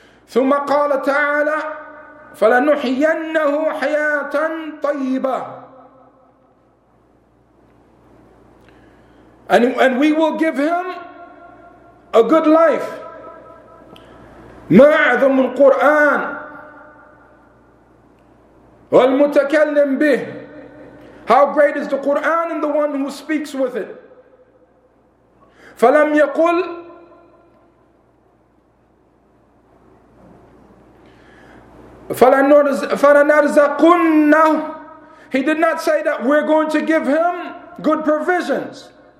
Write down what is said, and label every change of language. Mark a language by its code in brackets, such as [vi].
[ar] ثُمَّ قَالَ تَعَالَى فَلَنُحْيَنَّهُ حَيَاةً طَيِّبَةً. [en] And we will give him a good life. [ar] معظم القرآن والمتكلم به. [en] How great is the Quran and the one who speaks with it. [ar] فلم يقل فلنرزقنه. [en] He did not say that we're going to give him good provisions.